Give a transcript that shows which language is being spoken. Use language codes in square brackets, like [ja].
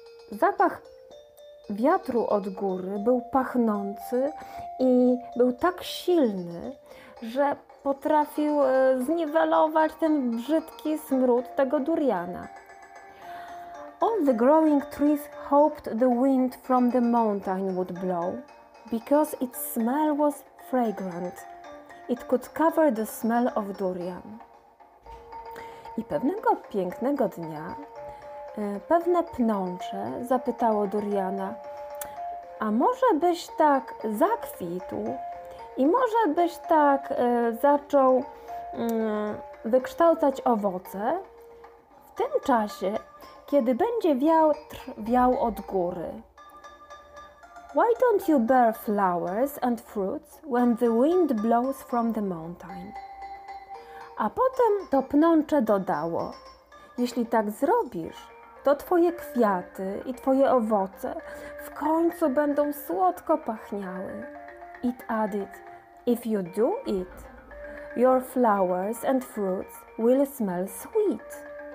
[pl] Zapach wiatru od góry był pachnący i był tak silny, że potrafił zniwelować ten brzydki smród tego duriana. [en] All the growing trees hoped the wind from the mountain would blow, because its smell was fragrant. It could cover the smell of durian. [pl] I pewnego pięknego dnia Pewne pnącze zapytało Doriana: a może byś tak zakwitł i może byś tak zaczął wykształcać owoce w tym czasie, kiedy będzie wiatr wiał od góry? [en] Why don't you bear flowers and fruits when the wind blows from the mountain? [pl] A potem to pnącze dodało: jeśli tak zrobisz, to twoje kwiaty i twoje owoce w końcu będą słodko pachniały. [en] It added, if you do it, your flowers and fruits will smell sweet.